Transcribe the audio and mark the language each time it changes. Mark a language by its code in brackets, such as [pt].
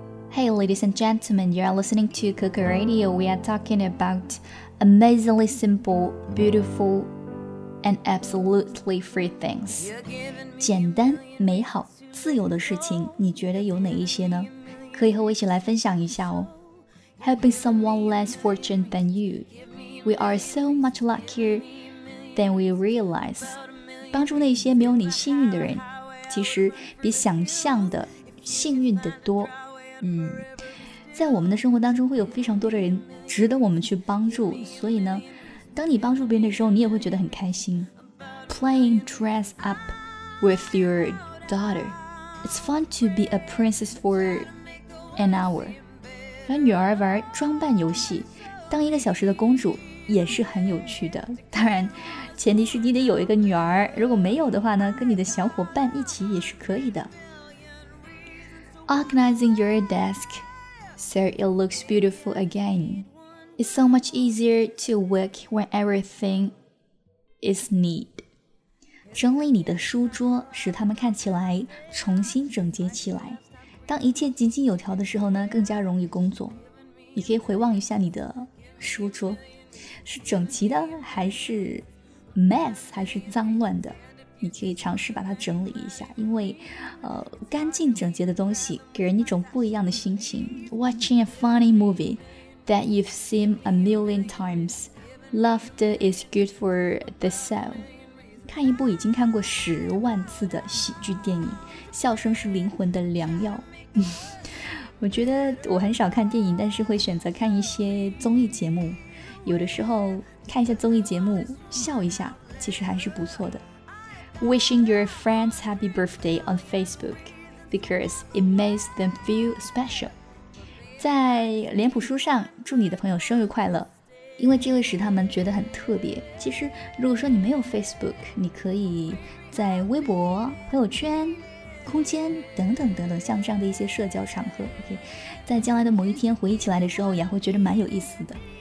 [en] Hey, ladies and gentlemen, you're listening to Cooker Radio. We are talking about amazingly simple, beautiful, and absolutely free things. [zh] 简单、美好、自由的事情，你觉得有哪一些呢？可以和我一起来分享一下哦。 [en] Helping someone less fortunate than you. We are so much luckier than we realize. [zh] 帮助那些没有你幸运的人，其实比想象的幸运的多。在我们的生活当中会有非常多的人值得我们去帮助，所以呢，当你帮助别人的时候，你也会觉得很开心。 [en] Playing dress up with your daughter. It's fun to be a princess for an hour. [zh] 和女儿玩装扮游戏，当一个小时的公主也是很有趣的。当然，前提是你得有一个女儿，如果没有的话呢，跟你的小伙伴一起也是可以的。 [en] Organizing your desk so it looks beautiful again. It's so much easier to work when everything is neat. [zh] 整理你的书桌，使它们看起来重新整洁起来。当一切井井有条的时候呢，更加容易工作。你可以回望一下你的书桌，是整齐的还是 mess 还是脏乱的？你可以尝试把它整理一下，因为干净整洁的东西给人一种不一样的心情。 [en] Watching a funny movie that you've seen a million times. Laughter is good for the soul. [zh] 看一部已经看过十万次的喜剧电影，笑声是灵魂的良药。我觉得我很少看电影，但是会选择看一些综艺节目。有的时候看一下综艺节目笑一下，其实还是不错的。 [en] Wishing your friends happy birthday on Facebook because it makes them feel special. [zh] 在脸谱书上祝你的朋友生日快乐，因为这会使他们觉得很特别。其实如果说你没有 Facebook， 你可以在微博、朋友圈、空间等等等等，像这样的一些社交场合、okay? 在将来的某一天回忆起来的时候也会觉得蛮有意思的。